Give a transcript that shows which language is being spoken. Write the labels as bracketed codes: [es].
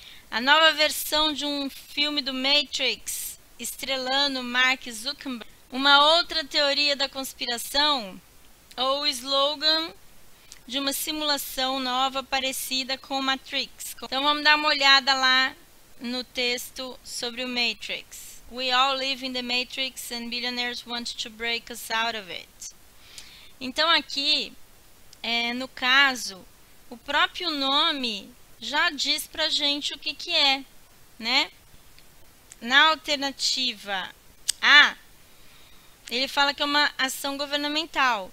[pt] A nova versão de um filme do Matrix estrelando Mark Zuckerberg, uma outra teoria da conspiração ou o slogan de uma simulação nova parecida com Matrix. Então, vamos dar uma olhada lá no texto sobre o Matrix. [en] We all live in the Matrix and billionaires want to break us out of it. [pt] Então, aqui, no caso, o próprio nome já diz pra gente o que é, né? Na alternativa A, ele fala que é uma ação governamental.